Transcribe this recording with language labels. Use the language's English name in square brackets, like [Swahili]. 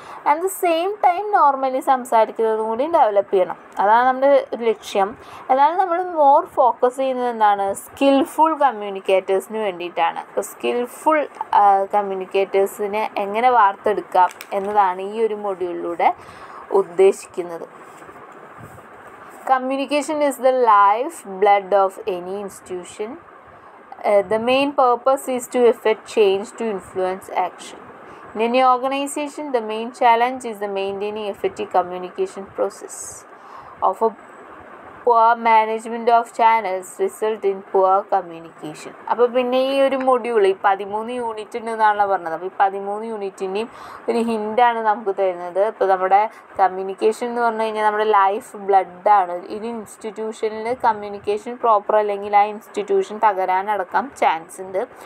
[English] at the same time [Malayalam] normally സംസാരിക്കുന്നതും കൂടി develop ചെയ്യണം. അതാണ് നമ്മുടെ ലക്ഷ്യം. എന്നാൽ നമ്മൾ മോർ ഫോക്കസ് ചെയ്യുന്നത് എന്താണ്? സ്കിൽഫുൾ കമ്മ്യൂണിക്കേറ്റേഴ്സിന് വേണ്ടിയിട്ടാണ്. അപ്പോൾ സ്കിൽഫുൾ കമ്മ്യൂണിക്കേറ്റേഴ്സിനെ എങ്ങനെ വാർത്തെടുക്കാം എന്നതാണ് ഈ ഒരു മൊഡ്യൂളിലൂടെ ഉദ്ദേശിക്കുന്നത്. [English] Communication is the life blood of any institution. The main purpose is to effect change, to influence action. In any organization, the main challenge is the maintaining effective communication process. Of a poor management of channels result in poor communication. [Malayalam] അപ്പം പിന്നെ ഈ ഒരു module ഈ 13 unit ഉണ്ട് എന്നാണല്ലോ പറഞ്ഞത്. അപ്പോൾ ഈ 13 യൂണിറ്റിൻ്റെയും ഒരു ഹിൻ്റാണ് നമുക്ക് തരുന്നത്. ഇപ്പോൾ നമ്മുടെ കമ്മ്യൂണിക്കേഷൻ എന്ന് പറഞ്ഞു കഴിഞ്ഞാൽ നമ്മുടെ ലൈഫ് ബ്ലഡാണ്. ഒരു ഇൻസ്റ്റിറ്റ്യൂഷനിൽ കമ്മ്യൂണിക്കേഷൻ പ്രോപ്പർ അല്ലെങ്കിൽ ആ ഇൻസ്റ്റിറ്റ്യൂഷൻ തകരാനടക്കാൻ ചാൻസ് ഉണ്ട്.